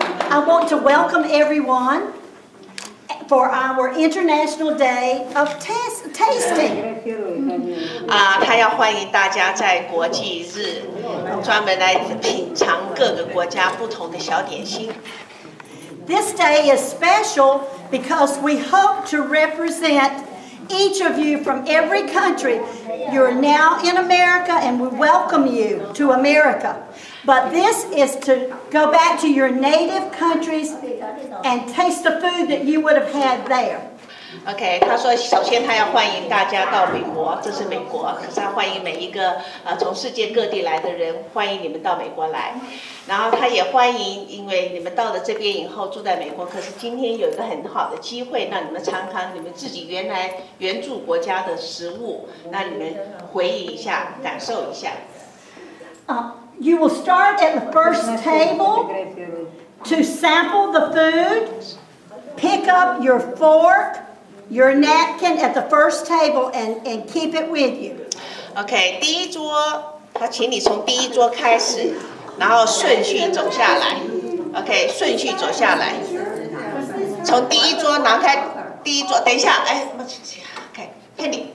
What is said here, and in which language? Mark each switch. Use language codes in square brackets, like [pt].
[en] I want to welcome everyone for our International Day of Tasting. [zh] 他要欢迎大家在国际日专门来品尝各个国家不同的小点心。 [en] This day is special because we hope to represent each of you from every country. You're now in America and we welcome you to America. But this is to go back to your native countries and taste the food that you would have had there. [zh] Okay, 他说首先他要欢迎大家到美国，这是美国，可是他欢迎每一个从世界各地来的人，欢迎你们到美国来。然后他也欢迎，因为你们到了这边以后住在美国，可是今天有一个很好的机会，让你们尝尝你们自己原来原住国家的食物，让你们回忆一下，感受一下。 [en] You will start at the first table to sample the food, pick up your fork. Your napkin at the first table and keep it with you. [zh] Okay, 第一桌，他请你从第一桌开始，然后顺序走下来。 Okay, 顺序走下来，从第一桌拿开第一桌。等一下，哎，okay, Penny,